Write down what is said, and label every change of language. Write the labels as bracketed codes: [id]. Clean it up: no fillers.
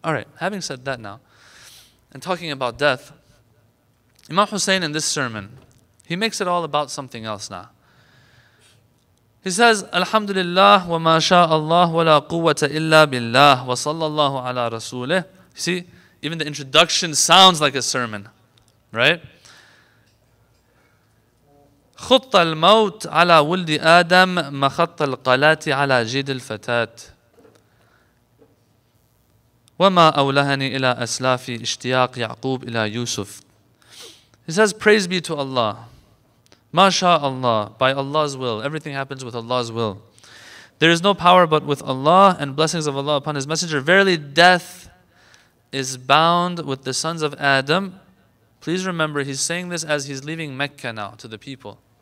[en] All right, having said that now, and talking about death, Imam Hussein in this sermon, he makes it all about something else now. He says, Alhamdulillah wa ma sha Allah wa la quwwata illa billah wa sallallahu ala rasulih. See, even the introduction sounds like a sermon, right? [ar] خط الموت على ولد آدم مخط القلات على جيد الفتاة وما أولهني إلى أسلافي اشتياق يعقوب إلى يوسف. [en] He says, praise be to Allah. ما شاء الله. By Allah's will. Everything happens with Allah's will. There is no power but with Allah, and blessings of Allah upon His Messenger. Verily, death is bound with the sons of Adam. Please remember, he's saying this as he's leaving Mecca now to the people.